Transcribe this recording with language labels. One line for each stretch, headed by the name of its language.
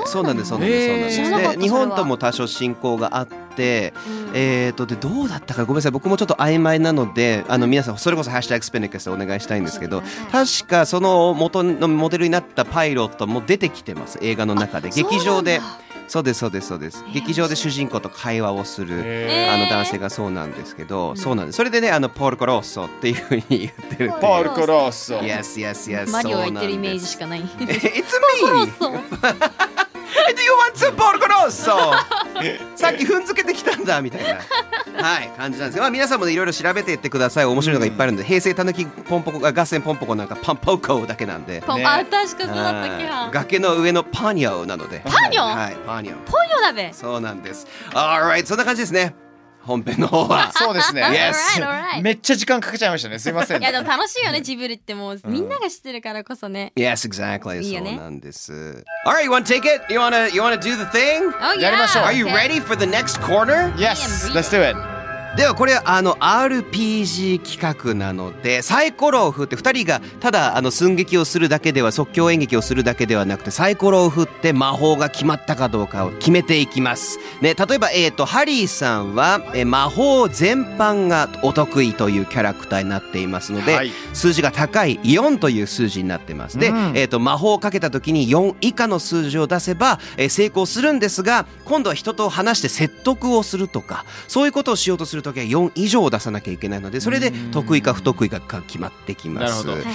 Japanese: はい、そうなんです、そうなんです、そうなんです。日本とも多少親交があって、でどうだったかごめんなさい、僕もちょっと曖昧なので、あの皆さんそれこそハッシュタグスペネックスでお願いしたいんですけど、確かその元のモデルになったパイロットも出てきてます、映画の中で。劇場で、そうです、そうです、そうです。劇場で主人公と会話をする、あの男性がそうなんですけど、そうなんです。それでね、あのポルコロッソっていう風に言ってる。ポルコロッソ、
English: Yes, yes, yes。
Japanese: マリオ言ってるイメージしかない。
English: It's me! ポルコロッソ。 Do you want to ポルコロッソ。
Japanese: さっき踏んづけてきたんだみたいな、はい、感じなんですよ。まあ、皆さんも、ね、いろいろ調べていってください。面白いのがいっぱいあるんで、平成たぬきポンポコが合戦ポンポコなんかパンポーコーだけなんで、ね、あ、確かそうだった気が。崖の上のパニョなので、パニョ、はい、パニョ、ポニョだべ。そうなんです。 Alright、 そんな感じですね、本編の方は。そうですね、
English: yes、 all right, all right。
Japanese: めっちゃ時間かけちゃいましたね、すいません。いやでも楽しいよね、ジブリってもう、みんなが知ってるからこそね。
English: Yes, exactly、
Japanese: いいよね。そうなんです。
English: Alright, you wanna take it? You wanna do the thing? Oh yeah!
Japanese: やりましょう。
English: Are you ready for the next corner? Yes, let's do it。
Japanese: ではこれ、あの RPG 企画なので、サイコロを振って2人がただあの寸劇をするだけでは、即興演劇をするだけではなくて、サイコロを振って魔法が決まったかどうかを決めていきますね。例えば、ハリーさんは、魔法全般がお得意というキャラクターになっていますので、はい、数字が高い4という数字になってます。で、魔法をかけた時に4以下の数字を出せば、成功するんですが、今度は人と話して説得をするとか、そういうことをしようとするときは4以上を出さなきゃいけないので、それで得意か不得意かが決まってきます。